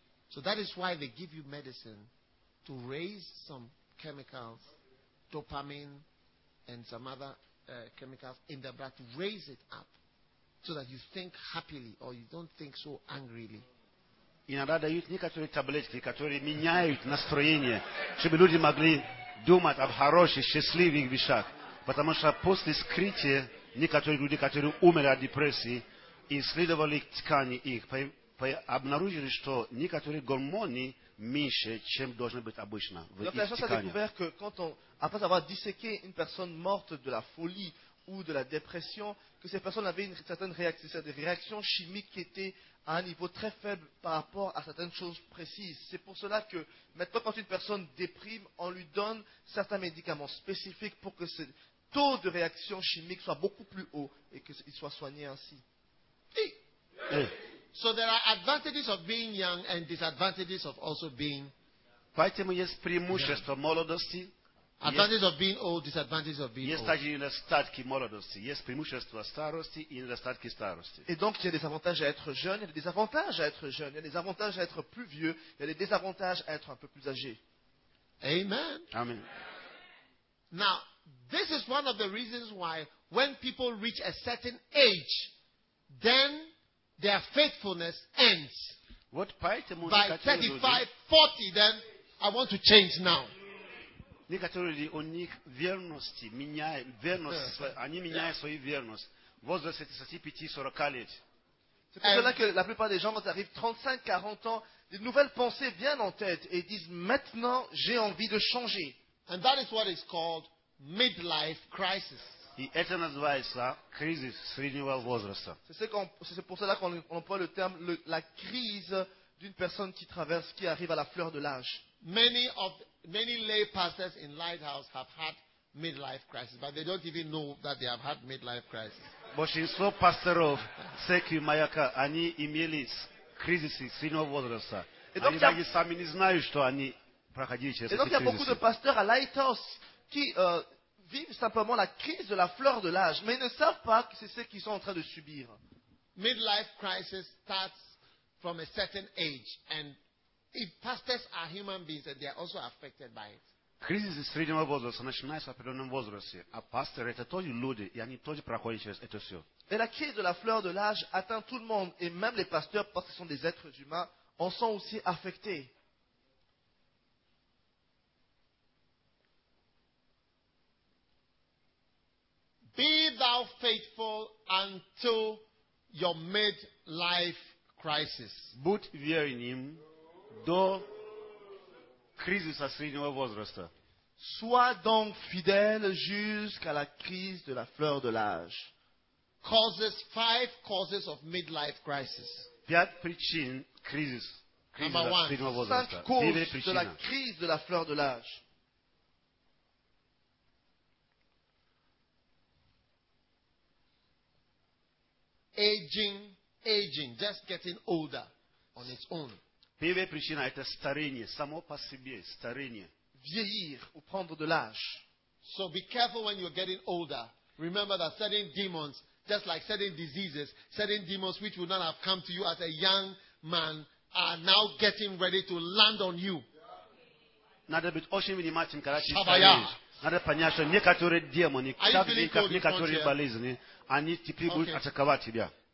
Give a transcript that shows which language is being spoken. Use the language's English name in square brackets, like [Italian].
[English] So that is why they give you medicine to raise some chemicals, dopamine and some other chemicals in the blood to raise it up so that you think happily or you don't think so angrily. [Russian] Иногда дают некоторые таблетки, которые меняют настроение, чтобы люди могли думать об хороших, счастливых вещах. Потому что после скрытия некоторые люди, которые умерли от депрессии, исследовали ткани их, обнаружили, что некоторые гормоны меньше, чем должны быть обычно в их тканях. [French] Donc la science a découvert que quand on, après avoir disséqué une personne morte de la folie ou de la dépression, que ces personnes avaient une certaine réaction, des réactions chimiques qui étaient à un niveau très faible par rapport à certaines choses précises. C'est pour cela que maintenant, quand une personne déprime, on lui donne certains médicaments spécifiques pour que ce taux de réaction chimique soit beaucoup plus haut et qu'il soit soigné ainsi. [English] Hey. So there are advantages of being young and disadvantages of also being. [Russian] Поэтому есть преимущества молодости. [English] Advantages of being old, disadvantages of being old. [Russian] Есть также недостатки молодости. Есть преимущества старости и недостатки старости. [French] Et donc, il y a des avantages à être jeune, il y a des avantages à être jeune, il y a des avantages à être plus vieux, il y a des désavantages à être un peu plus âgé. [English] Amen. Amen. Now, this is one of the reasons why when people reach a certain age, then their faithfulness ends. [Russian] Вот поэтому [English] by 35, 40, then I want to change now. [Russian] Некоторые люди, у них верности меняют, верность, они меняют свою верность. Возраст 35-40 лет. [French] C'est pour cela que la плupart des gens, quand ils arrivent 35-40 ans, des nouvelles pensées viennent en tête et disent, maintenant, j'ai envie de changer. [English] And that is what is called midlife crisis. [Russian] И это называется crise среднего возраста. [French] C'est pour cela qu'on emploie le terme la crise d'une personne qui traverse, qui arrive à la fleur de l'âge. [English] Many lay pastors in Lighthouse have had midlife crisis, but they don't even know that they have had midlife crisis. [Russian] Большинство пасторов церкви Маяка, они имели кризисы среднего возраста. Они даже сами не знают, что они проходили через эти кризисы. [French] Et donc, il y a beaucoup de pasteurs à Lighthouse qui vivent simplement la crise de la fleur de l'âge, mais ils ne savent pas que c'est ce qu'ils sont en train de subir. [English] Midlife crisis starts from a certain age, and if pastors are human beings, they are also affected by it. [Russian] Кризис среднего возраста начинается в определенном возрасте, а пасторы это тоже люди, и они тоже проходят через это все. [French] Et la crise de la fleur de l'âge atteint tout le monde, et même les pasteurs, parce qu'ils sont des êtres humains, en sont aussi affectés. [English] Be thou faithful until your midlife crisis. [Russian] Будь верным до кризиса среднего возраста. [French] Sois donc fidèle jusqu'à la crise de la fleur de l'âge. [English] Causes, five causes of midlife crisis. [Russian] Пять причин кризиса среднего возраста. [English] Number one, [French] causes de la crise de la fleur de l'âge. [English] Aging, just getting older on its own. [Russian] Первая причина – это старение, само по себе старение. [French] Vieillir, ou prendre de l'âge. [English] So be careful when you're getting older. Remember that certain demons, just like certain diseases, certain demons which would not have come to you as a young man, are now getting ready to land on you. [Russian] Надо быть очень внимательным, когда ты стареешь. Надо понять, что некоторые демоны, некоторые болезни, они теперь будут атаковать тебя.